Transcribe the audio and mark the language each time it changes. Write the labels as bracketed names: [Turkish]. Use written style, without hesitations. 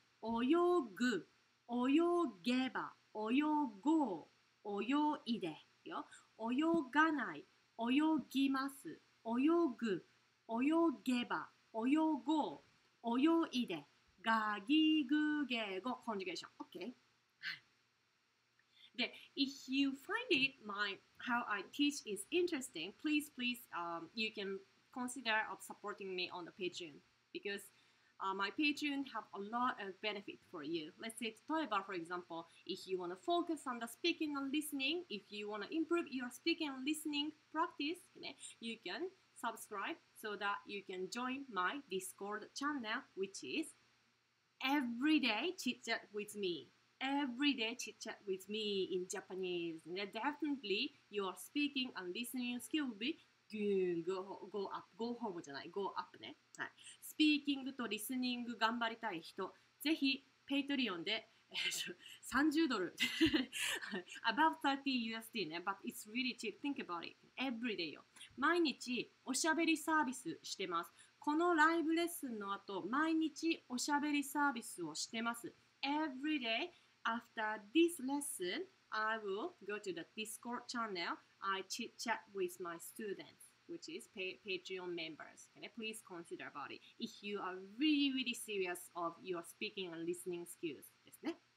[Japanese] 泳ぐ、泳げば、泳ごう、泳いで。よ。泳がない、泳ぎます。泳ぐ、泳げば、泳ごう、泳いで、ガギグゲゴ、コンジュケーション。 [English] OK? で、If you find it, my, how I teach is interesting, please, please,、you can consider of supporting me on the Patreon. Because、my Patreon have a lot of benefit for you. Let's say, 例えば、 for example, if you want to focus on the speaking and listening, if you want to improve your speaking and listening practice, you, know, you can subscribe so that you can join my Discord channel, which is Everyday Chit Chat with Me. Everyday chit chat with me in Japanese. Now, definitely, your speaking and listening skill will be go up. [Japanese] ね、はい、スピーキングとリスニング頑張りたい人、ぜひ Patreon で30ドル about 30 USD ね、 but it's really cheap. Think about it. Everyday よ。毎日おしゃべりサービスしてます。このライブレッスンの後、毎日おしゃべりサービスをしてます。 [English] Everyday. After this lesson, I will go to the Discord channel. I chit chat with my students, which is Patreon members. Can I please consider about it? If you are really, really serious of your speaking and listening skills, ですね。